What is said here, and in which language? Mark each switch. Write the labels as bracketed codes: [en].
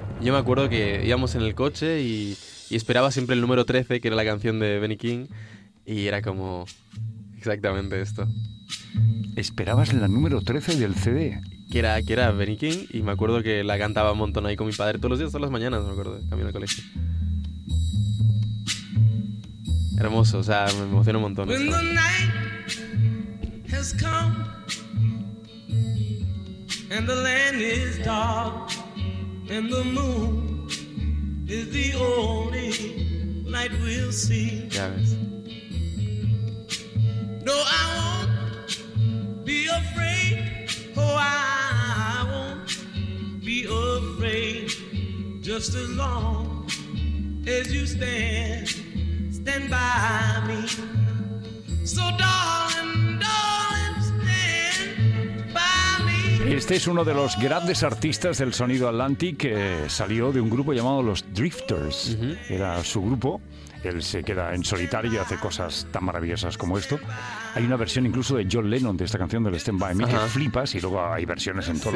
[es] Yo me acuerdo que íbamos en el coche y esperaba siempre el número 13, que era la canción de Benny King, y era como exactamente esto. ¿Esperabas la número 13 del CD? Que era Benny King, y me acuerdo que la cantaba un montón ahí con mi padre todos los días, todas las mañanas, me acuerdo, camino al colegio. Hermoso, o sea, me emociona un montón. [en] When the night has come and the land is dark and the moon is the only light we'll see. [es] Ya ves. [en] No, I won't be afraid. Oh, I won't be afraid. Just as long as you stand by me. So darling, darling, stand by me. [es] Este es uno de los grandes artistas del sonido Atlantic que salió de un grupo llamado Los Drifters. Uh-huh. Era su grupo. Él se queda en solitario y hace cosas tan maravillosas como esto. Hay una versión incluso de John Lennon de esta canción del Stand By Me. Ajá. Que flipas, y luego hay versiones en todos,